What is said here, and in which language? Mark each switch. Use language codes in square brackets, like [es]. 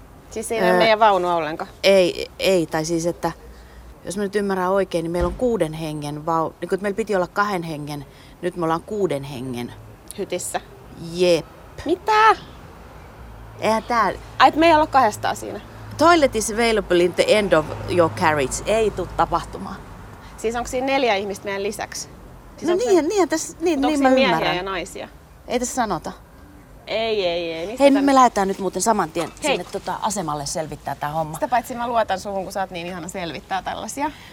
[fi] Siis ei ole meidän vaunua ollenkaan? Ei, tai siis että jos mä nyt ymmärrän oikein, niin meillä on 6 hengen vaunu. Niin kun meillä piti olla 2 hengen, nyt me ollaan 6 hengen. Hytissä? Jep. Mitä? Eihän tää... Ai, me ei olla kahdestaan siinä. [en] Toilet is available in the end of your carriage. [fi] Ei tuu tapahtumaan. Siis onko siinä 4 ihmistä meidän lisäksi? Siis no niin, se... niin, tässä, niin, niin mä ymmärrän. Miehiä ja naisia? Ei tässä sanota. Ei. Mistä hei, tämän... me lähdetään nyt muuten saman tien hei. Sinne asemalle selvittää tää homma. Sitä paitsi mä luotan suhun, kun sä oot niin ihana selvittää tällaisia.